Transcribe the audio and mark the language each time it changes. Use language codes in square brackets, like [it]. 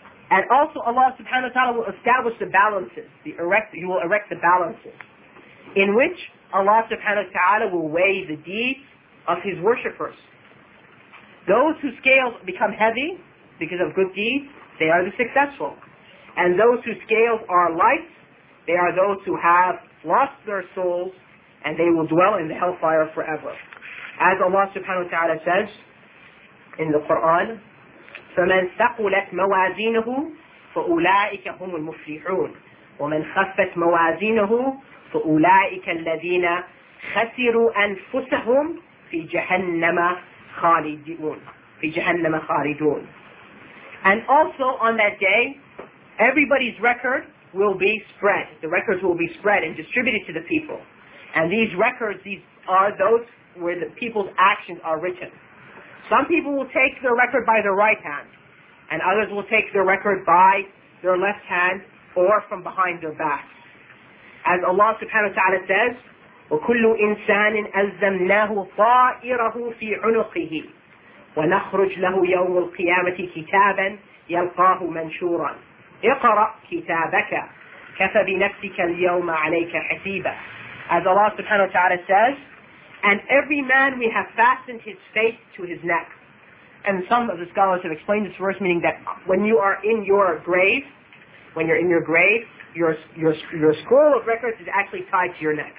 [en] And also Allah subhanahu wa ta'ala will establish the balances, He will erect the balances, in which Allah subhanahu wa ta'ala will weigh the deeds of his worshippers. Those whose scales become heavy because of good deeds, they are the successful. And those whose scales are light, they are those who have lost their souls, and they will dwell in the hellfire forever. As Allah subhanahu wa ta'ala says in the Quran, [ar] فَمَنْ ثَقُلَتْ مَوَازِينَهُ فَأُولَٰئِكَ هُمُ الْمُفْلِحُونَ وَمَنْ خَفَّتْ مَوَازِينَهُ فَأُولَٰئِكَ الَّذِينَ خَسِرُوا أَنفُسَهُمْ فِي جَهَنَّمَ خَالِدُونَ فِي جَهَنَّمَ خَالِدُونَ. [en] And also on that day, everybody's record will be spread. The records will be spread and distributed to the people. And these records, these are those where the people's actions are written. Some people will take their record by their right hand, and others will take their record by their left hand or from behind their back. As Allah subhanahu wa ta'ala says, [ar] وَكُلُّ إِنسَانٍ أَلْزَمْنَاهُ طَائِرَهُ فِي عُنُقِهِ وَنَخْرُجْ لَهُ يَوْمُ الْقِيَامَةِ كِتَابًا يَلْقَاهُ مَنْشُورًا اِقْرَأْ كِتَابَكَ كَفَ بِنَفْسِكَ الْيَوْمَ عَلَيْكَ حَسِيبًا. [en] As Allah subhanahu wa ta'ala says, and every man we have fastened his faith to his neck. And some of the scholars have explained this verse, meaning that when you are in your grave, your scroll of records is actually tied to your neck.